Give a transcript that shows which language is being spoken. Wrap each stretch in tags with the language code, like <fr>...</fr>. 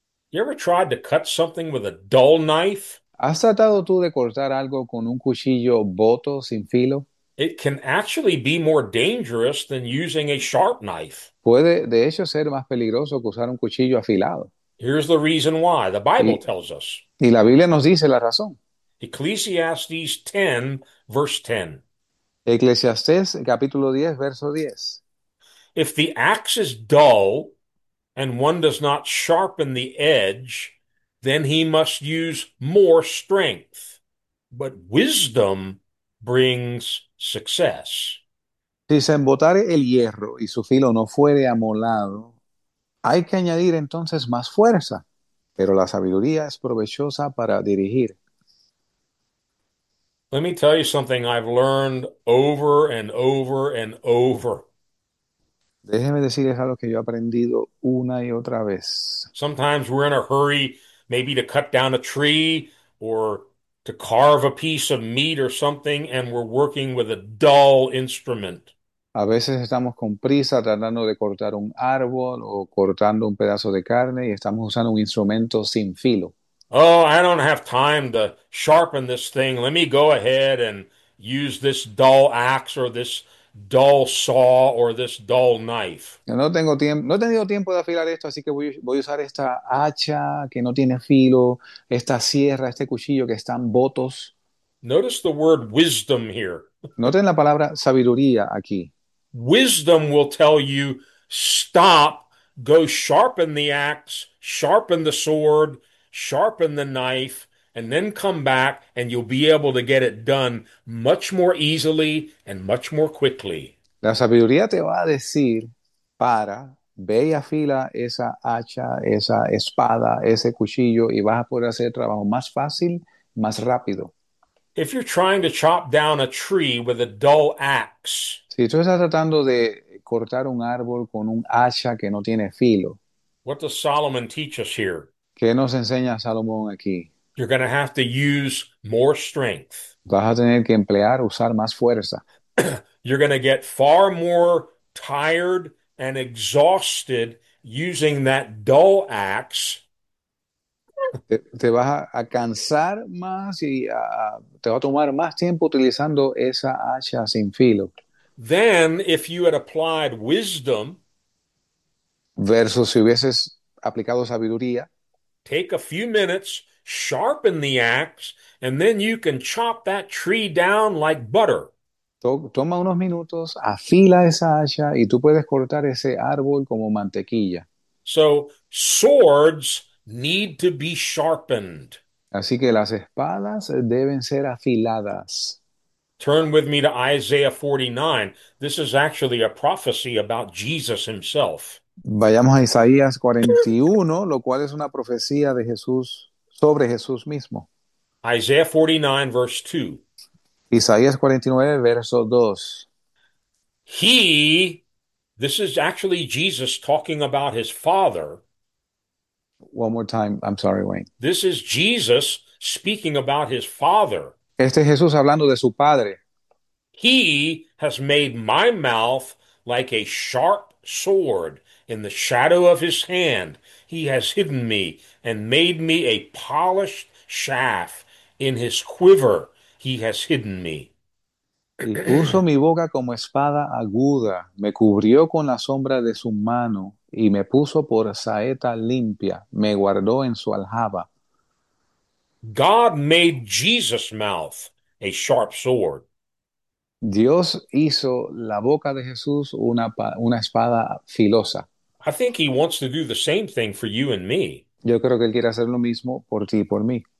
<en>You ever tried to cut something with a dull knife?</en> <es>¿Has tratado tú de cortar algo con un cuchillo boto sin filo?</es> <en>It can actually be more dangerous than using a sharp knife.</en> <es>Puede, de hecho, ser más peligroso que usar un cuchillo afilado.</es> <en>Here's the reason why. The Bible tells us.</en> <es>Y la Biblia nos dice la razón.</es> <en>Ecclesiastes 10, verse 10.</en> <es>Eclesiastés, capítulo 10, verso 10.</es> <en>If the axe is dull and one does not sharpen the edge, then he must use more strength. But wisdom brings success.</en> <es>Si se embotare el hierro y su filo no fuere amolado, hay que añadir entonces más fuerza, pero la sabiduría es provechosa para dirigir.</es> <en>Let me tell you something I've learned over and over and over.</en> <es>Déjeme decirles algo que yo he aprendido una y otra vez.</es> <en>Sometimes we're in a hurry, maybe to cut down a tree or to carve a piece of meat or something, and we're working with a dull instrument.</en> <es>A veces estamos con prisa tratando de cortar un árbol o cortando un pedazo de carne y estamos usando un instrumento sin filo.</es> <en>Oh, I don't have time to sharpen this thing. Let me go ahead and use this dull axe or this dull saw or this dull knife.</en> <es>Yo no tengo tiempo, no he tenido tiempo de afilar esto, así que voy a usar esta hacha que no tiene filo, esta sierra, este cuchillo que están botos.</es> <en>Notice the word wisdom here.</en> <es>Noten la palabra sabiduría aquí.</es> <en>Wisdom will tell you stop, go sharpen the axe, sharpen the sword. Sharpen the knife and then come back, and you'll be able to get it done much more easily and much more quickly.</en> <es>La sabiduría te va a decir para, ve y afila esa hacha, esa espada, ese cuchillo y vas a poder hacer el trabajo más fácil, más rápido.</es> <en>If you're trying to chop down a tree with a dull axe,</en> <es>Si tú estás tratando de cortar un árbol con un hacha que no tiene filo,</es> <en>what does Solomon teach us here?</en> <es>¿qué nos enseña Salomón aquí?</es> <en>You're going to have to use more strength.</en> <es>Vas a tener que emplear, usar más fuerza.</es> <en>You're going to get far more tired and exhausted using that dull axe.</en> <es>Te vas a cansar más y te va a tomar más tiempo utilizando esa hacha sin filo.</es> <en>Then, if you had applied wisdom,</en> <es>Versus si hubieses aplicado sabiduría.</es> <en>take a few minutes. Sharpen the axe, and then you can chop that tree down like butter.</en> <es>Toma unos minutos, afila esa hacha y tú puedes cortar ese árbol como mantequilla.</es> <en>So, swords need to be sharpened.</en> <es>Así que las espadas deben ser afiladas.</es> <en>Turn with me to Isaiah 49. This is actually a prophecy about Jesus himself.</en> <es>Vayamos a Isaías 41, lo cual es una profecía de Jesús sobre Jesús mismo.</es> <en>Isaiah 49, verse 2.</en> <es>Isaías 49, verso 2.</es> <en>This is actually Jesus talking about his father. One more time, I'm sorry, Wayne. This is Jesus speaking about his father.</en> <es>Este es Jesús hablando de su padre.</es> <en>He has made my mouth like a sharp sword in the shadow of his hand. He has hidden me and made me a polished shaft. In his quiver, he has hidden me.</en> <es>Y puso mi boca como espada aguda, me cubrió con la sombra de su mano y me puso por saeta limpia, me guardó en su aljaba.</es> <en>God made Jesus' mouth a sharp sword.</en> <es>Dios hizo la boca de Jesús una espada filosa.</es> <en>I think he wants to do the same thing for you and me.</en> <es>Yo creo que Él quiere hacer lo mismo por ti y por mí.</es>